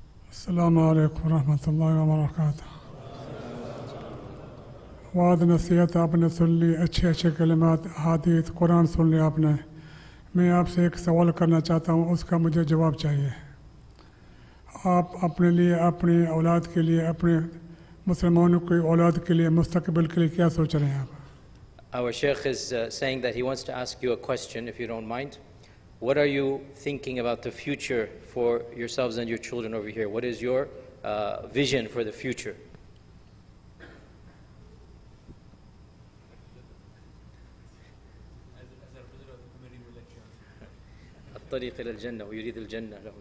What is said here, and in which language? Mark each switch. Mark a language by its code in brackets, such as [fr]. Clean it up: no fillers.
[ar] السلام عليكم ورحمة الله وبركاته. [ur] وعد نصیحت آپ نے سن لی اچھے اچھے کلمات حدیث قرآن سن لیا آپ نے میں آپ سے ایک سوال کرنا چاہتا ہوں اس کا مجھے جواب چاہیے آپ اپنے لیے اپنی اولاد کے لیے اپنے مسلمانوں کی اولاد کے لیے مستقبل کے لیے کیا سوچ رہے ہیں آپ [en] Our Sheikh is saying that he wants to ask you a question, if you don't mind. What are you thinking about the future for yourselves and your children over here? What is your vision for the future?